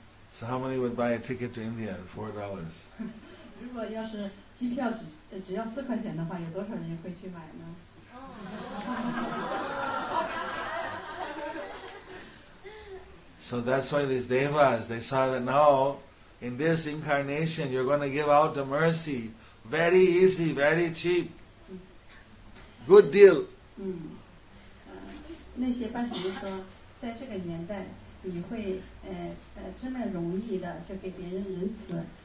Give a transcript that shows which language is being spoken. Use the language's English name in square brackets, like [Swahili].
[English] So how many would buy a ticket to India at $4? [Chinese] 如果要是机票只要4块钱的话，有多少人会去买呢？ [English] So that's why these devas, they saw that now, in this incarnation, you're going to give out the mercy very easy, very cheap. Good deal. [Chinese] 那些班禅就说，在这个年代，你会这么容易的就给别人仁慈。